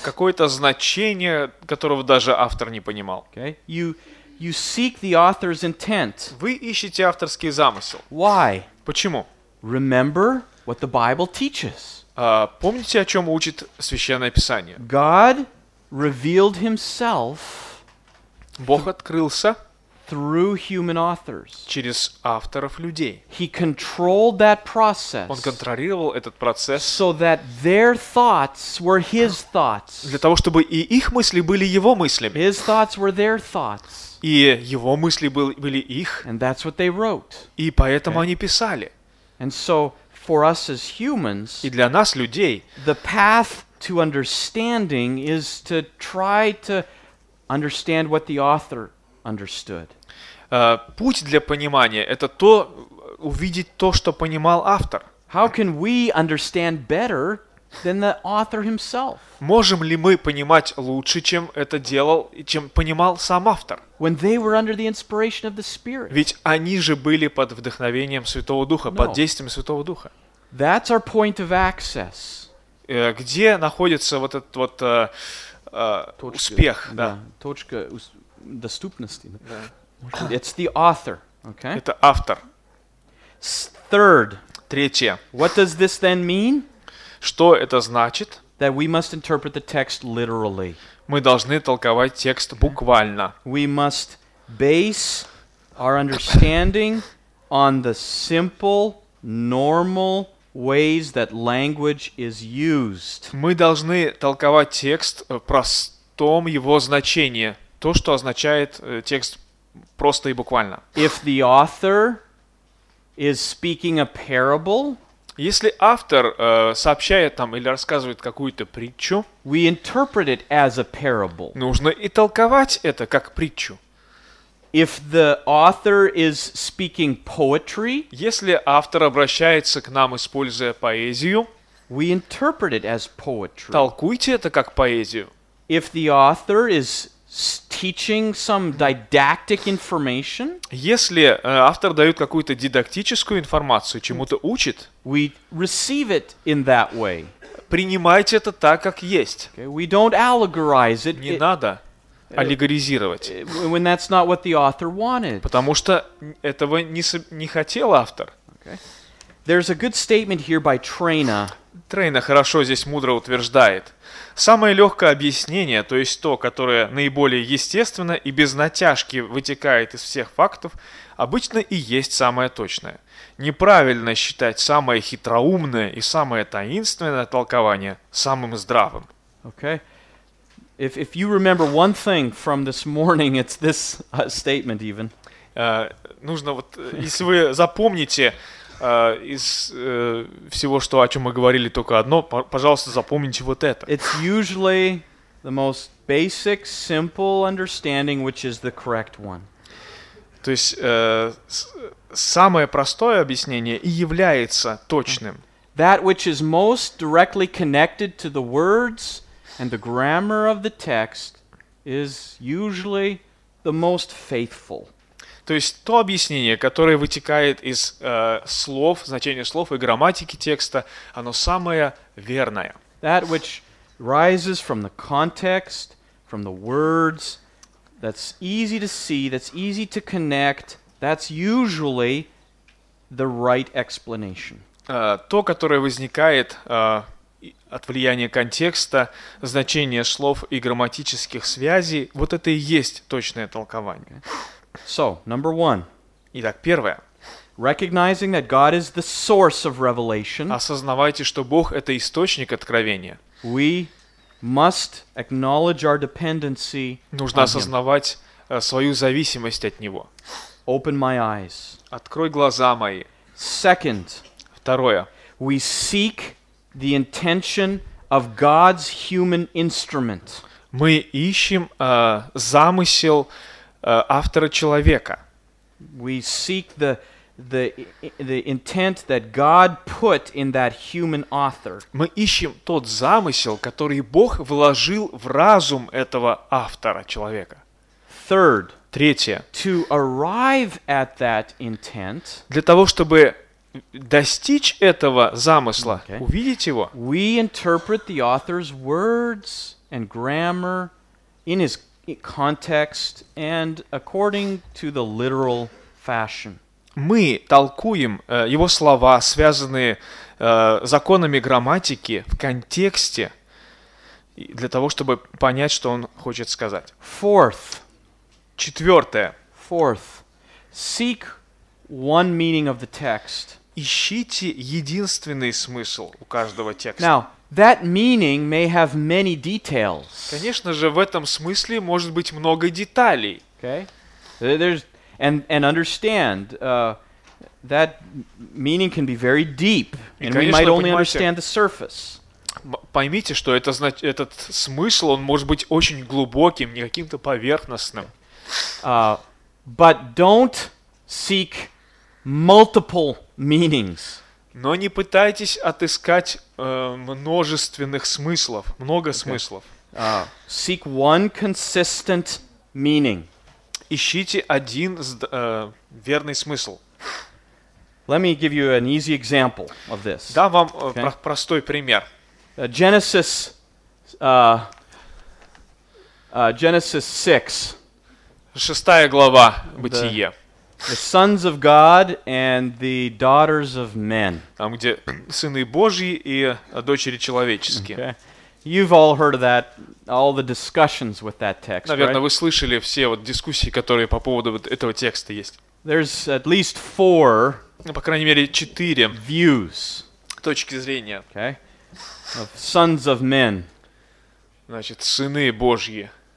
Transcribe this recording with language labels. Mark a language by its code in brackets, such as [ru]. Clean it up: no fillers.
[ru] Какое-то значение, которого даже автор не понимал. [en] Okay. You seek the author's intent. [ru] Вы ищете авторский замысел. [en] Why? [ru] Почему? [en] Remember what the Bible teaches. [ru] Помните, о чем учит Священное Писание. [en] God revealed himself. [ru] Бог открылся. [en] Through human authors. [ru] Через авторов людей. [en] He controlled that process. [ru] Он контролировал этот процесс. [en] So that their thoughts were his thoughts. [ru] Для того, чтобы и их мысли были его мыслями. [en] His thoughts were their thoughts. [ru] И его мысли были их. [en] And that's what they wrote. [ru] И поэтому они писали. [en] And so for us as humans, [ru] и для нас, людей, [en] the path to understanding is to try to understand what the author understood. [ru] Путь для понимания — это то, увидеть то, что понимал автор. [en] How can we understand better than the author himself? [ru] Можем ли мы понимать лучше, чем это делал, чем понимал сам автор? [en] When they were under the inspiration of the Spirit. [ru] Ведь они же были под вдохновением Святого Духа, под действием Святого Духа. [en] That's our point of access. [ru] Где находится вот этот вот точка, успех? Да. Точка доступности. [en] It's the author, okay? [ru] Это автор. [en] Third. [ru] Третье. [en] What does this then mean? [ru] Что это значит? [en] That we must interpret the text literally. [ru] Мы должны толковать текст буквально. [en] We must base our understanding on the simple, normal ways that language is used. [ru] Мы должны толковать текст в простом его значении, то, что означает текст просто и буквально. [en] If the author is speaking a parable, [ru] если автор сообщает там или рассказывает какую-то притчу, [en] we interpret it as a parable. [ru] Нужно и толковать это как притчу. [en] If the author is speaking poetry, [ru] если автор обращается к нам, используя поэзию, [en] we interpret it as poetry. [ru] Толкуйте это как поэзию. [en] If the author is teaching some didactic information, [ru] если автор дает какую-то дидактическую информацию, чему-то учит, [en] we receive it in that way. [ru] Принимайте это так, как есть. [en] Okay? We don't allegorize it. [ru] Не надо аллегоризировать. [en] When that's not what the author wanted. [ru] Потому что этого не хотел автор. [en] Okay. There's a good statement here by Трейна. [ru] Трейна хорошо здесь мудро утверждает. Самое легкое объяснение, то есть то, которое наиболее естественно и без натяжки вытекает из всех фактов, обычно и есть самое точное. Неправильно считать самое хитроумное и самое таинственное толкование самым здравым. [en] Okay. If you remember one thing from this morning, it's this statement even. [ru] Нужно вот, если вы запомните из всего, что о чем мы говорили, только одно, пожалуйста, запомните вот это. [en] It's usually the most basic, simple understanding, which is the correct one. [ru] То есть самое простое объяснение и является точным. [en] That which is most directly connected to the words and the grammar of the text is usually the most faithful. [ru] То есть то объяснение, которое вытекает из слов, значения слов и грамматики текста, оно самое верное. [en] That which rises from the context, from the words, that's easy to see, that's easy to connect, that's usually the right explanation. [ru] То, которое возникает от влияния контекста, значения слов и грамматических связей, вот это и есть точное толкование. [en] So, number one. [ru] Итак, первое. [en] Recognizing that God is the source of revelation. [ru] Осознавайте, что Бог — это источник откровения. [en] We must acknowledge our dependency. [ru] Нужно осознавать свою зависимость от Него. [en] Open my eyes. [ru] Открой глаза мои. [en] Second. [ru] Второе. [en] We seek the intention of God's human instrument. [ru] Мы ищем замысел автора человека. [en] We seek the intent that God put in that human author. [ru] Мы ищем тот замысел, который Бог вложил в разум этого автора человека. [en] Third. [ru] Третье. [en] To arrive at that intent. [ru] Для того, чтобы достичь этого замысла, okay, увидеть его. [en] We interpret the author's words and grammar in his context and according to the literal fashion. [ru] Мы толкуем его слова, связанные законами грамматики, в контексте для того, чтобы понять, что он хочет сказать. [en] Fourth. [ru] Четвертое. [en] Fourth. Seek one meaning of the text. [ru] Ищите единственный смысл у каждого текста. [en] Now, that meaning may have many details. [ru] Конечно же, в этом смысле может быть много деталей. [en] Okay. And understand that meaning can be very deep, and we might only understand the surface. [ru] Поймите, что этот смысл, он может быть очень глубоким, не каким-то поверхностным. [en] But don't seek multiple meanings. [ru] Но не пытайтесь отыскать множественных смыслов, много смыслов. [en] Seek one consistent meaning. [ru] Ищите один верный смысл. [en] Let me give you an easy example of this. [ru] Дам вам простой пример. [en] Genesis 6. [ru] Шестая глава Бытие. [en] The sons of God and the daughters of men. [ru] Там, где сыны Божьи и дочери человеческие. [en] Okay. You've all heard of that, all the discussions with that text, [ru] наверное, [en] right? [ru] Вы слышали все вот дискуссии, которые по поводу вот этого текста есть. [en] There's at least four, [ru] по крайней мере, четыре [en] views. [ru] точки зрения. [en] Okay. Of sons of men. [ru] Значит, сыны Божьи.